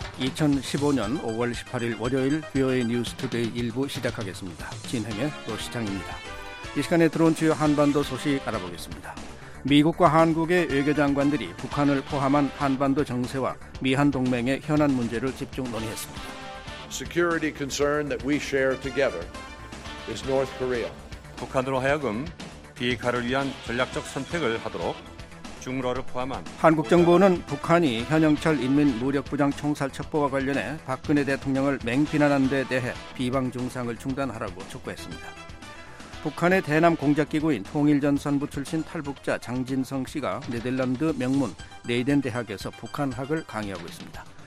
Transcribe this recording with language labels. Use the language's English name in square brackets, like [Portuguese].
[Korean] 2015년 5월 18일 월요일 VOA 뉴스 투데이 1부 시작하겠습니다. 진행의 노시장입니다. 이 시간에 들어온 주요 한반도 소식 알아보겠습니다. 미국과 한국의 외교장관들이 북한을 포함한 한반도 정세와 미한동맹의 현안 문제를 집중 논의했습니다. [English] Security concern that we share together is North Korea. [Korean] 북한으로 하여금 비핵화를 위한 전략적 선택을 하도록 중러를 포함한 한국 정부는 북한이 현영철 인민무력부장 총살 첩보와 관련해 박근혜 대통령을 맹비난한 데 대해 비방중상을 중단하라고 촉구했습니다. 북한의 대남 공작기구인 통일전선부 출신 탈북자 장진성 씨가 네덜란드 명문 레이덴 대학에서 북한학을 강의하고 있습니다.